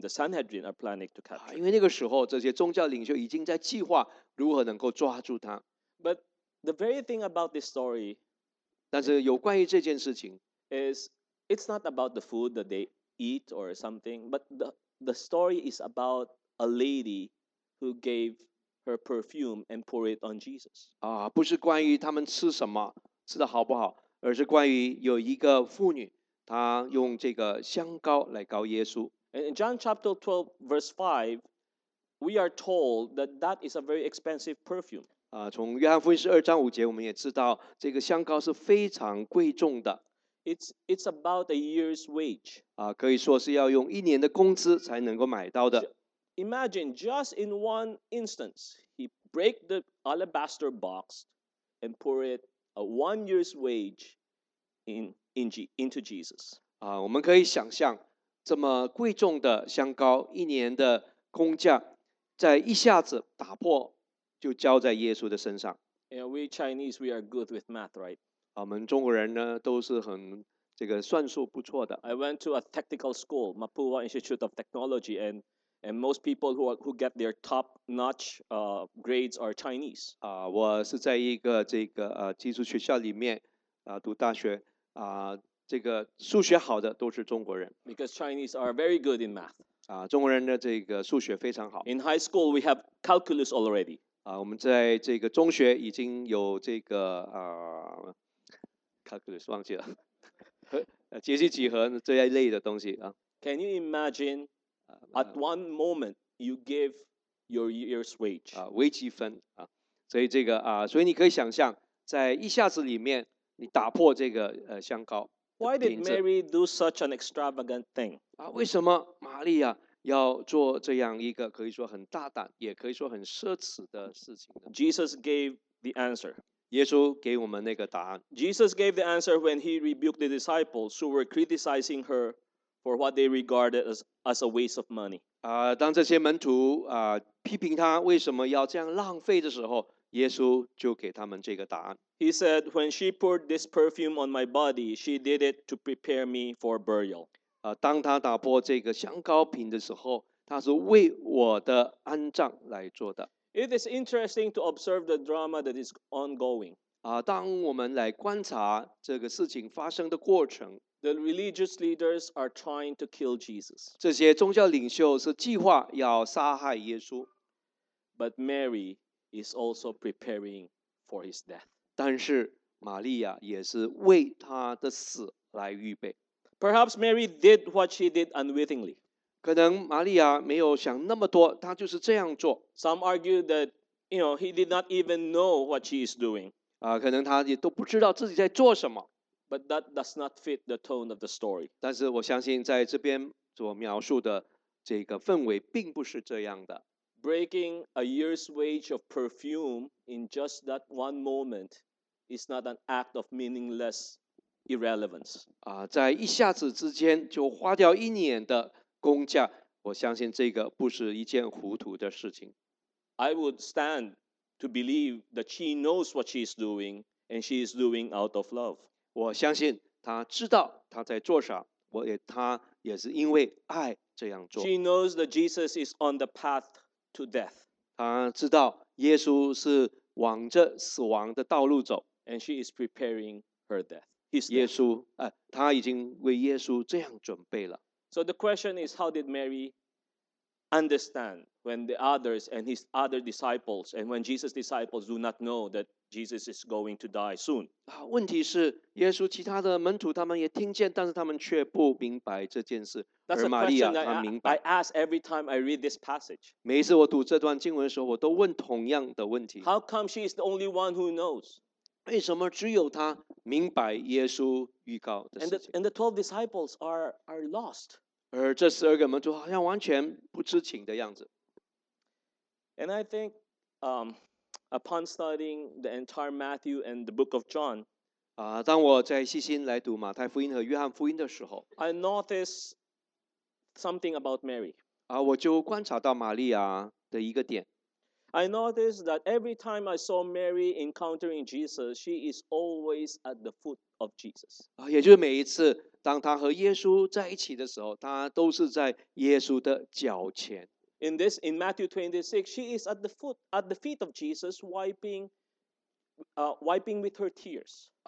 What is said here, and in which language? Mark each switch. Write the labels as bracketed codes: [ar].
[en] The Sanhedrin are planning to capture him. [zh] 因为那个时候，这些宗教领袖已经在计划如何能够抓住他。 [en] But the very thing about this story, [zh] 但是有关于这件事情 [en] is it's not about the food that they eat or something, but the story is about a lady. Who gave her perfume and poured it on Jesus? [zh] 不是关于他们吃什么，吃的好不好，而是关于有一个妇女，她用这个香膏来膏耶稣。 [en] In John chapter 12, verse 5, we are told that is a very expensive perfume. [zh] 从约翰福音十二章五节，我们也知道这个香膏是非常贵重的。 [en] It's about a year's wage. [zh] 可以说是要用一年的工资才能够买到的。 [en] Imagine just in one instance, he break the alabaster box and pour it a 1 year's wage into Jesus. [zh] 我们可以想象这么贵重的香膏，一年的工价，在一下子打破，就浇在耶稣的身上。 [en] And we Chinese, we are good with math, right? [zh] 我们中国人呢，都是很这个算术不错的。 [en] I went to a technical school, Mapua Institute of Technology, and most people who get their top notch grades are Chinese. [zh] 我是在一个这个技术学校里面读大学这个数学好的都是中国人。 [en] Because Chinese are very good in math. [zh] 中国人的这个数学非常好。 [en] In high school we have calculus already. [zh] 我们在这个中学已经有这个calculus 忘记了，解析几何这一类的东西啊。 [en] Can you imagine? At one moment, you give your year's wage. [zh] 微积分啊，所以这个所以你可以想象，在一下子里面，你打破这个香膏。 [en] Why did Mary do such an extravagant thing? [zh] 为什么玛利亚要做这样一个可以说很大胆，也可以说很奢侈的事情呢？ [en] Jesus gave the answer. [zh] 耶稣给我们那个答案。 [en] Jesus gave the answer when he rebuked the disciples who were criticizing her. For what they regarded as a waste of money. [zh] 当这些门徒批评他为什么要这样浪费的时候，耶稣就给他们这个答案。 [en] He said, "When she poured this perfume on my body, she did it to prepare me for burial." [zh] 当他打破这个香膏瓶的时候，他是为我的安葬来做的。 [en] It is interesting to observe the drama that is ongoing. [zh] 当我们来观察这个事情发生的过程。 [en] The religious leaders are trying to kill Jesus. [zh] 这些宗教领袖是计划要杀害耶稣。 [en] But Mary is also preparing for his death. [zh] 但是玛利亚也是为他的死来预备。 [en] Perhaps Mary did what she did unwittingly. [zh] 可能玛利亚没有想那么多，她就是这样做。 [en] Some argue that, you know, he did not even know what she is doing. [zh] 可能她也都不知道自己在做什么。 [en] But that does not fit the tone of the story. [zh] 但是我相信在这边所描述的这个氛围并不是这样的。 [en] Breaking a year's wage of perfume in just that one moment is not an act of meaningless irrelevance. [zh] 在一下子之间就花掉一年的工价，我相信这个不是一件糊涂的事情。 [en] I would stand to believe that she knows what she is doing and she is doing out of love. [zh] 我相信她知道她在做啥，她也是因为爱这样做。 [en] She knows that Jesus is on the path. To death. [zh] 他知道耶稣是往着死亡的道路走。 [en] And she is preparing her death. His death. [zh] 耶稣，他已经为耶稣这样准备了。 [en] So the question is, how did Mary understand when the others and his other disciples and when Jesus' disciples do not know that Jesus is going to die soon? [zh] 问题是，耶稣其他的门徒他们也听见，但是他们却不明白这件事。 [en] That's a question that I ask every time I read this passage. [zh] 每一次我读这段经文的时候，我都问同样的问题。 [en] How come she is the only one who knows? [zh] 为什么只有她明白耶稣预告的事情？ [en] And the 12 disciples are lost. [zh] 而这十二个门徒好像完全不知情的样子。 [en] And I think, upon studying the entire Matthew and the book of John, [zh] 当我在细心来读马太福音和约翰福音的时候 [en] ，I noticed. Something about Mary. [zh] 我就观察到玛利亚的一个点。 [en] I noticed that every time I saw Mary encountering Jesus, she is always at the foot of Jesus. [zh] 也就是每一次当她和耶稣在一起的时候，她都是在耶稣的脚前。 [en] In Matthew 26, she is at the feet of Jesus, wiping with her tears.